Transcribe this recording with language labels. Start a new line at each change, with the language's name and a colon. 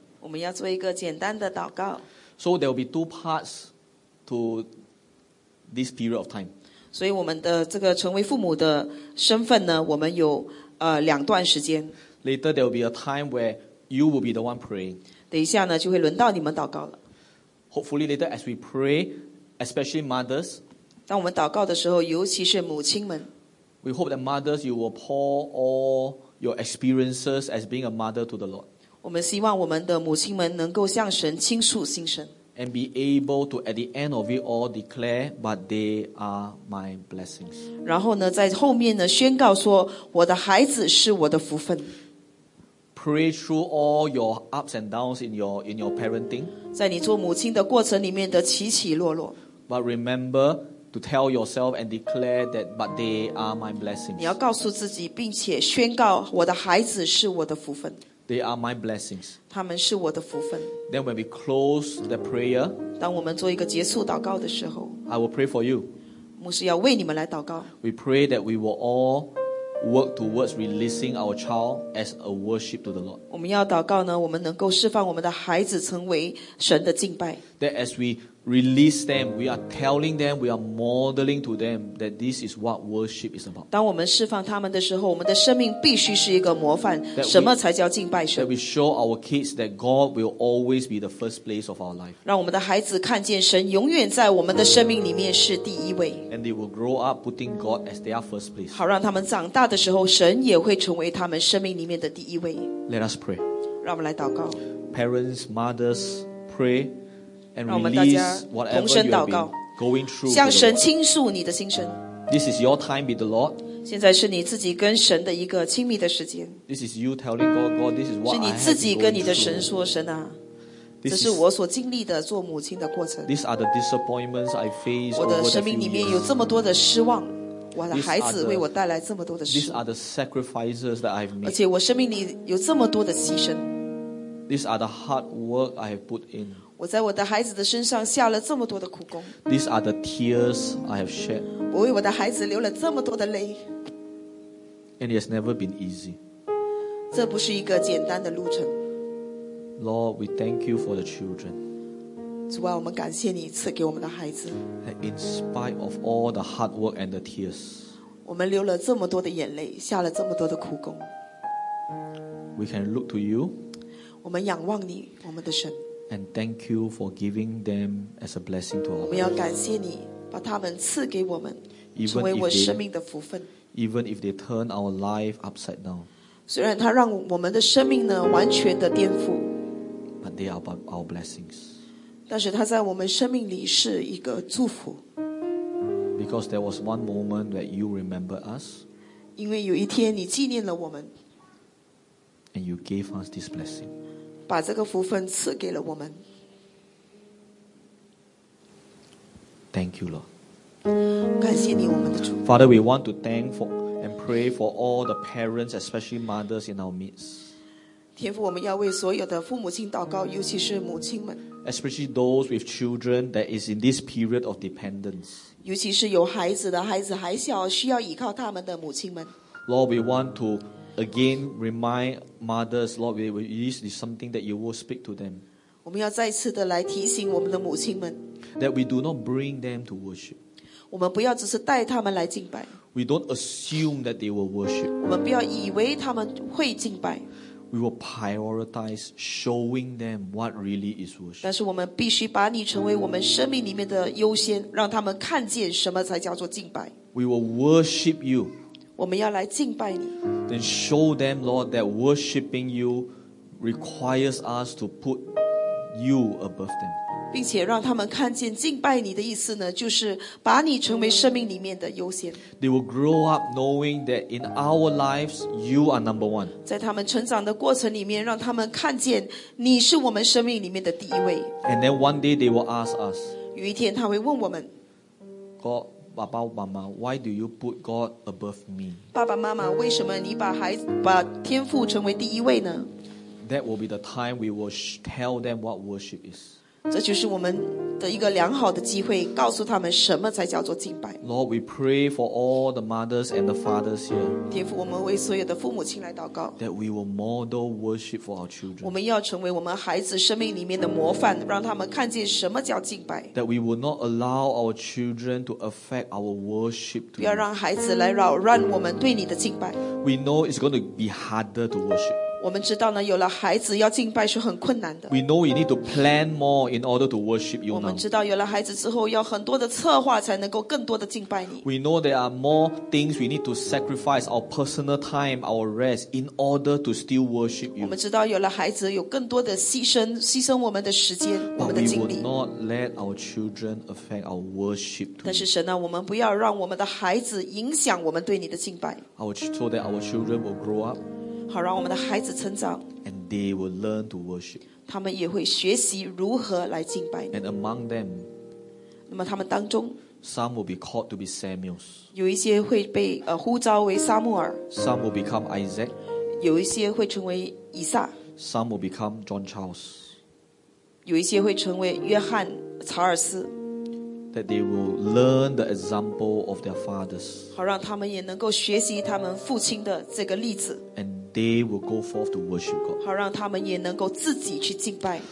Chinese: 我们要做一个简单的祷告。
English: So there will be two parts to this period of time.
Chinese: 所以我们的这个成为父母的身份呢，我们有两段时间。
English: Later there will be a time where you will be the one praying.
Chinese: 等一下呢，就会轮到你们祷告了。
English: Hopefully later as we pray, especially mothers.
Chinese: 当我们祷告的时候，尤其是母亲们。
English: We hope that mothers, you will pour all your experiences as being a mother to the Lord.
Chinese: 我们希望我们的母亲们能够向神倾诉心声。
English: And be able to at the end of it all declare, but they are my blessings.
Chinese: 然后呢，在后面呢，宣告说，我的孩子是我的福分。
English: Pray through all your ups and downs in your parenting.
Chinese: 在你做母亲的过程里面的起起落落。
English: But remember,to tell yourself and declare that, but they are my blessings.
Chinese: 你要告诉自己，并且宣告我的孩子是我的福分。
English: They are my blessings.
Chinese: 他们是我的福分。
English: Then when we close the prayer,
Chinese: 当我们做一个结束祷告的时候，
English: I will pray for you.
Chinese: 牧师要为你们来祷告。
English: We pray that we will all work towards releasing our child as a worship to the Lord.
Chinese: 我们要祷告呢，我们能够释放我们的孩子成为神的敬拜。
English: That as we release them. We are telling them. We are modeling to them that this is what worship is about.
Chinese: 当我们释放他们的时候，我们的生命必须是一个模范。什么才叫敬拜神？
English: That we show our kids that God will always be the first place of our life.
Chinese: 让我们的孩子看见神永远在我们的生命里面是第一位。
English: And they will grow up putting God as their first place.
Chinese: 好，让他们长大的时候，神也会成为他们生命里面的第一位。
English: Let us pray.
Chinese: 让我们来祷告。
English: Parents, mothers, pray. And release whatever you have been going through.
Chinese: 向神倾诉你的心声。
English: This is your time with the Lord.
Chinese: 现在是你自己跟神的一个亲密的时间。
English: This is you telling God, this is what I have been going through.
Chinese: 是你自己跟你的神说，神啊，这是我所经历的做母亲的过程。
English: These are the disappointments I face over the few years.
Chinese: 我的生命里面有这么多的失望。我的孩子为我带来这么多的失望。
English: These are the sacrifices that I've made.
Chinese: 而且我生命里有这么多的牺牲。
English: These are the hard work I have put in.
Chinese: 我在我的孩子的身上下了这么多的苦功。
English: These are the tears I have shed.
Chinese: 我为我的孩子流了这么多的泪。
English: And it has never been easy.
Chinese: 这不是一个简单的路程。
English: Lord, we thank you for the children.
Chinese: 主啊，我们感谢你赐给我们的孩子。
English: That in spite of all the hard work and the tears,
Chinese: 我们流了这么多的眼泪，下了这么多的苦功。
English: We can look to you.
Chinese: 我们仰望你，我们的神。
English: And thank you for giving them as a blessing to our lives.
Chinese: 我们要感谢你，把他们赐给我们，成为我生命的福分。
English: Even if they turn our life upside down.
Chinese: 虽然他让我们的生命呢完全的颠覆。
English: But they are our blessings.
Chinese: 但是他在我们生命里是一个祝福。
English: Because there was one moment that you remembered us.
Chinese: 因为有一天你纪念了我们。
English: And you gave us this blessing.
Chinese: 把这个福分赐给了我们。
English: Thank you, Lord.
Chinese: 感谢你，我们的主。
English: Father, we want to thank for and pray for all the parents, especially mothers in our midst.
Chinese: 天父，我们要为所有的父母亲祷告，尤其是母亲们。
English: Especially those with children that is in this period of dependence.
Chinese: 尤其是有孩子的，孩子还小，需要依靠他们的母亲们。
English: Lord, we want to. Again, remind mothers, Lord, this is something that you will speak to them.
Chinese: 我们要再次的来提醒我们的母亲们。
English: That we do not bring them to worship.
Chinese: 我们不要只是带他们来敬拜。
English: We don't assume that they will worship.
Chinese: 我们不要以为他们会敬拜。
English: We will prioritize showing them what really is worship.
Chinese: 但是我们必须把你成为我们生命里面的优先，让他们看见什么才叫做敬拜。
English: We will worship you.
Chinese: 我们要来敬拜你。
English: Then show them, Lord, that worshiping you requires us to put you above them.
Chinese: 并且让他们看见敬拜你的意思呢，就是把你成为生命里面的优先。
English: They will grow up knowing that in our lives, you are number one.
Chinese: 在他们成长的过程里面，让他们看见你是我们生命里面的第一位。
English: And then one day they will ask us.
Chinese: 有一天他会问我们。
English: God,
Chinese: 爸爸妈妈
English: ，Why do you put God above me?
Chinese: 爸爸妈妈，为什么你把孩子把天父成为第一位呢？
English: That will be the time we will tell them what worship is.
Chinese: 这就是我们的一个良好的机会，告诉他们什么才叫做敬拜。
English: Lord, we pray for all the mothers and the fathers here.
Chinese: 天父，我们为所有的父母亲来祷告。
English: That we will model worship for our children.
Chinese: 我们要成为我们孩子生命里面的模范，让他们看见什么叫敬拜。
English: That we will not allow our children to affect our worship.
Chinese: 不要让孩子来扰乱我们对你的敬拜。
English: We know it's going to be harder to worship.
Chinese: 我们知道呢，有了孩子要敬拜是很困难的。
English: We know you need to plan more in order to worship you now.
Chinese: 我们知道有了孩子之后，要很多的策划才能够更多的敬拜你。
English: We know there are more things we need to sacrifice our personal time, our rest in order to still worship you.
Chinese: 我们知道有了孩子，有更多的牺牲我们的时间，我们的精力。
English: But we will not let our children affect our worship.
Chinese: 但是神啊，我们不要让我们的孩子影响我们对你的敬拜。
English: So that our children will grow up.
Chinese: 好让我们的孩子成长
English: and they will learn to worship.
Chinese: 他们也会学习如何来敬拜你
English: and among them,
Chinese: 那么他们当中
English: some will be called to be Samuels.
Chinese: 有一些会被呼召为撒母耳
English: some will become Isaac.
Chinese: 有一些会成为以撒
English: some will become John Charles.
Chinese: 有一些会成为约翰查尔斯
English: that they will learn the example of their fathers.
Chinese: 好让他们也能够学习他们父亲的这个例子
English: andThey will go forth to worship God.
Chinese: 好让他们也能够自己去敬拜。